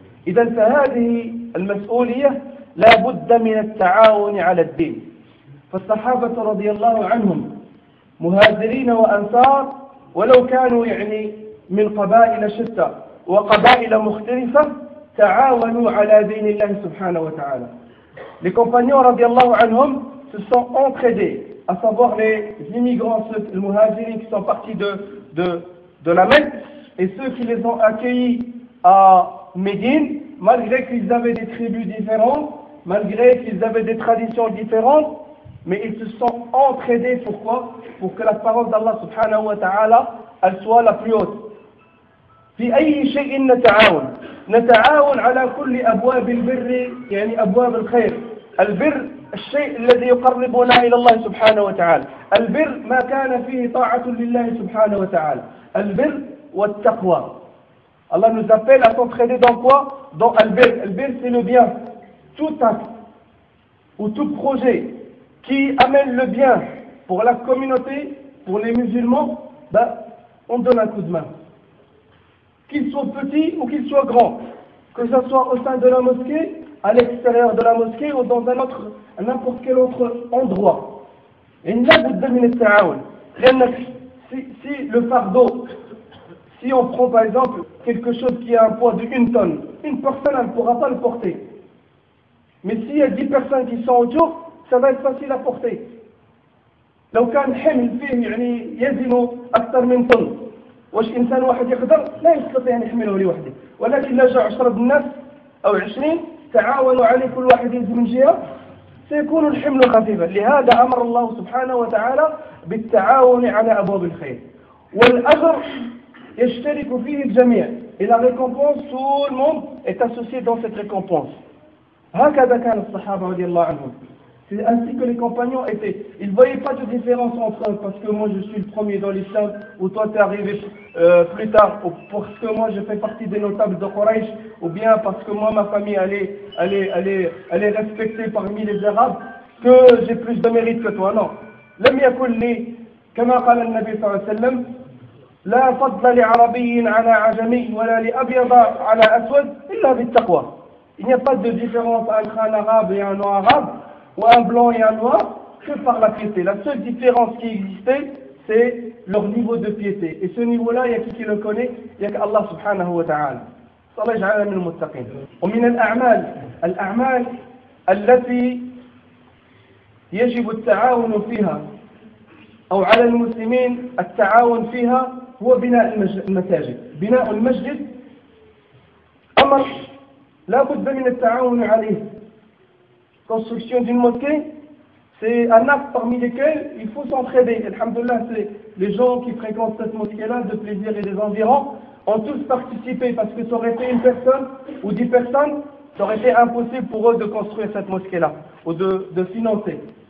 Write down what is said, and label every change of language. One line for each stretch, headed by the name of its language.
Arabic: إذا فهذه المسؤولية لا بد من التعاون على الدين. فالصحابة رضي الله عنهم مهاجرين وأنصار, ولو كانوا يعني من قبائل شتى وقبائل مختلفة, تعاونوا على دين الله سبحانه وتعالى.
French: Les compagnons
Arabic: رضي الله عنهم
French: se sont entraidés, à savoir les immigrants, les muhajirin qui sont partis de la Mecque et ceux qui les ont accueillis à Médine, malgré qu'ils avaient des tribus différentes, malgré qu'ils avaient des traditions différentes, mais ils se sont entraidés. Pourquoi? Pour que la parole d'Allah subhanahu wa ta'ala, elle soit la plus haute.
Arabic: في أي شيء نتعاون, نتعاون على كل أبواب البر, يعني أبواب الخير. البر الشيء الذي يقربنا إلى الله سبحانه وتعالى. البر ما كان فيه طاعة لله سبحانه وتعالى. البر والتقوى.
French: Allah nous appelle à s'entraider dans quoi? Dans Al-Bir. Al-Bir, c'est le bien. Tout acte ou tout projet qui amène le bien pour la communauté, pour les musulmans, ben, on donne un coup de main. Qu'il soit petit ou qu'il soit grand, que ce soit au sein de la mosquée, à l'extérieur de la mosquée ou dans un autre, n'importe quel autre endroit. Et là, vous devinez le ta'aoun. Rien n'a si le fardeau. Si on prend par exemple quelque chose qui a un poids d'une tonne, une personne ne pourra pas le porter. Mais s'il y a 10 personnes qui sont autour, ça va être facile à porter.
Arabic: لو كان حمل فيه يعني يزن أكثر من طن, واش إنسان واحد يقدر؟ لا يستطيع أن يحمله لوحده. ولكن لو جاء 10 الناس أو 20 تعاونوا عليه كل واحد يزن من جهة, سيكون الحمل خفيفا. لهذا أمر الله سبحانه وتعالى بالتعاون على أبواب الخير. والأجر يشترك فيه الجميع.
French: Et la récompense, tout le monde est associé dans cette récompense.
Arabic: هكذا كان الصحابة رضي الله عنهم.
French: C'est ainsi que les compagnons étaient. Ils ne voyaient pas de différence entre eux parce que moi je suis le premier dans l'islam ou toi tu es arrivé plus tard ou parce que moi je fais partie des notables de Quraysh ou bien parce que moi ma famille elle est respectée parmi les Arabes que j'ai plus de mérite que toi. Non.
Arabic: لم يكن لي كما قال النبي صلى الله عليه وسلم لا فضل لعربي على عجمي ولا لأبيض على أسود إلا بالتقوى.
French: Il n'y a pas de différence entre un arabe et un non arabe, ou un blanc et un noir, que par la piété. La seule différence qui existait, c'est leur niveau de piété. Et ce niveau-là, il y a qui le connaît? Il y a qu'Allah subhanahu wa ta'ala.
Arabic: صلى الله عليه وسلم المتقين. ومن الأعمال, الأعمال التي يجب التعاون فيها أو على المسلمين التعاون فيها هو بناء المساجد. بناء المسجد أمر لا بد من التعاون عليه.
French: Construction d'une mosquée, C'est un acte parmi lesquels il faut s'entraider. Alhamdulillah, c'est les gens qui fréquentent cette mosquée-là, de plaisir et des environs, ont tous participé parce que ça aurait été une personne ou 10 personnes, ça aurait été impossible pour eux de construire cette mosquée-là ou de financer.